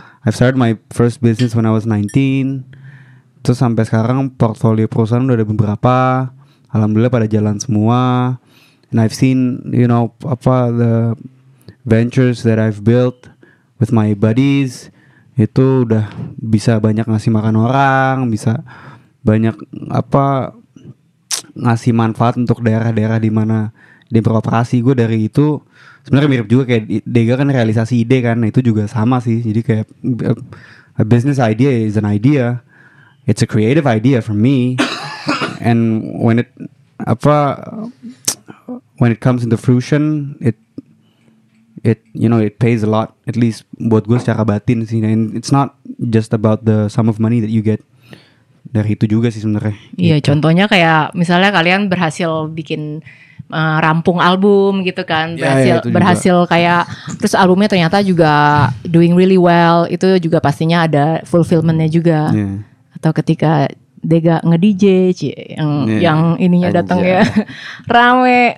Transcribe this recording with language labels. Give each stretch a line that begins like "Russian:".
English: I've started my first business when I was 19.
Indonesian: Terus sampai sekarang portfolio perusahaan udah ada beberapa, alhamdulillah pada jalan semua.
English: And I've seen, you know,
Indonesian: apa,
English: the ventures that I've built with my buddies
Indonesian: itu udah bisa banyak ngasih makan orang, bisa banyak apa ngasih manfaat untuk daerah-daerah di mana di beroperasi. Gue dari itu sebenarnya mirip juga kayak Dega kan, realisasi ide kan, itu juga sama sih. Jadi kayak
English: a business idea is an idea, it's a creative idea for me, and when it apa when it comes into fruition, it you know, it pays a lot, at least
Indonesian: buat gue secara batin sih.
English: And it's not just about the sum of money that you get.
Indonesian: Dari itu juga sih sebenarnya. Iya, gitu. Contohnya kayak misalnya kalian berhasil bikin rampung album gitu kan, berhasil juga. Kayak terus albumnya ternyata juga
English: doing really well,
Indonesian: itu juga pastinya ada fulfillment-nya juga. Yeah. Atau ketika Dega nge-DJ yang ininya datang ya. Rame.